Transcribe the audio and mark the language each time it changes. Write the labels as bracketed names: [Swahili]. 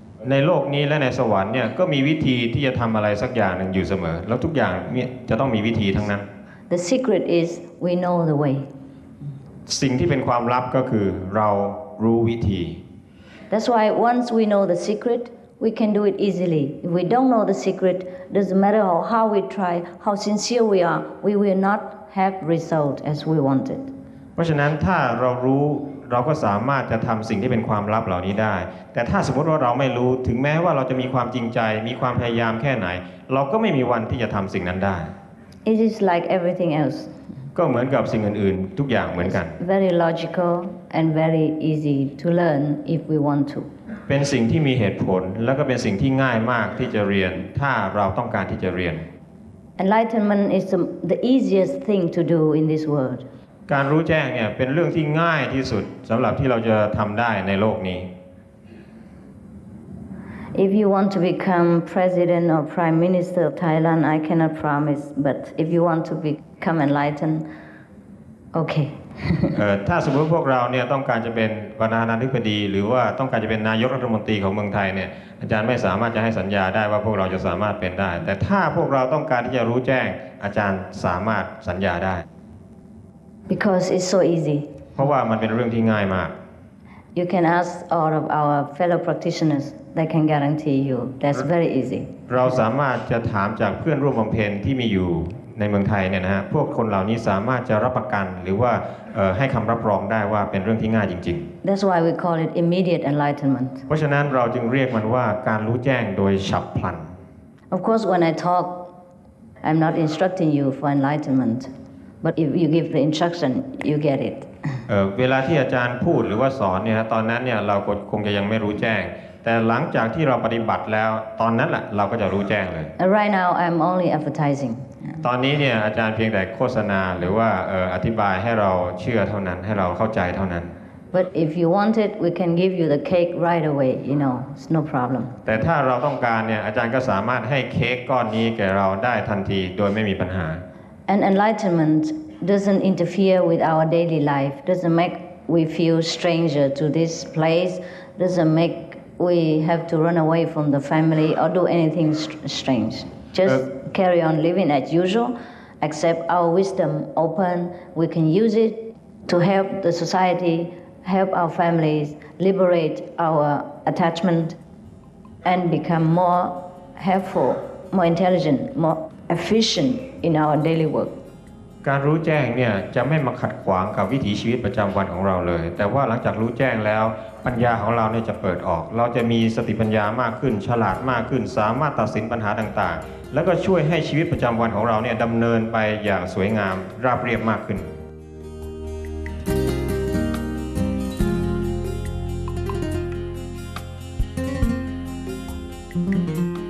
[Thai] ในโลกนี้และในสวรรค์เนี่ยก็มีวิธีที่จะทำอะไรสักอย่างนึงอยู่เสมอแล้วทุกอย่างเนี่ยจะต้องมีวิธีทั้งนั้น [English] The secret is we know the way [Thai] สิ่งที่เป็นความลับก็คือเรารู้วิธี [English] That's why once we know the secret we can do it easily If we don't know the secret doesn't matter how we try how sincere we are we will not have result as we wanted [Thai] เพราะฉะนั้นถ้าเรารู้เราก็สามารถจะทำสิ่งที่เป็นความลับเหล่านี้ได้แต่ถ้าสมมติว่าเราไม่รู้ถึงแม้ว่าเราจะมีความจริงใจมีความพยายามแค่ไหนเราก็ไม่มีวันที่จะทำสิ่งนั้นได้ [English] It is like everything else [Thai] ก็เหมือนกับสิ่งอื่นๆทุกอย่างเหมือนกัน [English] Very logical and very easy to learn if we want to [Thai] เป็นสิ่งที่มีเหตุผลแล้วก็เป็นสิ่งที่ง่ายมากที่จะเรียนถ้าเราต้องการที่จะเรียน [English] Enlightenment is the easiest thing to do in this world [Thai] การรู้แจ้งเนี่ยเป็นเรื่องที่ง่ายที่สุดสำหรับที่เราจะทำได้ในโลกนี้ [English] If you want to become president or prime minister of Thailand I cannot promise but if you want to become enlightened okay [Thai] ถ้าสมมติพวกเราเนี่ยต้องการจะเป็นประธานาธิบดีหรือว่าต้องการจะเป็นนายกรัฐมนตรีของเมืองไทยเนี่ยอาจารย์ไม่สามารถจะให้สัญญาได้ว่าพวกเราจะสามารถเป็นได้แต่ถ้าพวกเราต้องการที่จะรู้แจ้งอาจารย์สามารถสัญญาได้ [English] Because it's so easy. [Thai] เพราะว่ามันเป็นเรื่องที่ง่ายมาก [English] You can ask all of our fellow practitioners. They can guarantee you. That's very easy. [Thai] เราสามารถจะถามจากเพื่อนร่วมบำเพ็ญที่มีอยู่ในเมืองไทยเนี่ยนะฮะพวกคนเหล่านี้สามารถจะรับประกันหรือว่าให้คำรับรองได้ว่าเป็นเรื่องที่ง่ายจริง [English] ๆ That's why we call it immediate enlightenment. [Thai] เพราะฉะนั้นเราจึงเรียกมันว่าการรู้แจ้งโดยฉับพลัน [English] Of course, when I talk, I'm not instructing you for enlightenment. But if you give the instruction, you get it. [Thai] เวลาที่อาจารย์พูดหรือว่าสอนเนี่ยตอนนั้นเนี่ยเราคงจะยังไม่รู้แจ้งแต่หลังจากที่เราปฏิบัติแล้วตอนนั้นแหละเราก็จะรู้แจ้งเลย [English] Right now, I'm only advertising. [Thai] ตอนนี้เนี่ยอาจารย์เพียงแต่โฆษณาหรือว่าอธิบายให้เราเชื่อเท่านั้นให้เราเข้าใจเท่านั้น [English] But if you want it, we can give you the cake right away. You know, it's no problem. [Thai] แต่ถ้าเราต้องการเนี่ยอาจารย์ก็สามารถให้เค้กก้อนนี้แก่เราได้ทันทีโดยไม่มีปัญหา [English] And enlightenment doesn't interfere with our daily life, doesn't make we feel stranger to this place, doesn't make we have to run away from the family or do anything strange. Just carry on living as usual, accept our wisdom open, we can use it to help the society, help our families, liberate our attachment, and become more helpful, more intelligent, more efficient. In our daily work, [Thai] การรู้แจ้งเนี่ยจะไม่มาขัดขวางกับวิถีชีวิตประจำวันของเราเลยแต่ว่าหลังจากรู้แจ้งแล้วปัญญาของเราเนี่ยจะเปิดออกเราจะมีสติปัญญามากขึ้นฉลาดมากขึ้นสามารถตัดสินปัญหาต่างๆแล้วก็ช่วยให้ชีวิตประจำวันของเราเนี่ยดำเนินไปอย่างสวยงามราบเรียบมากขึ้น [English] Thank you.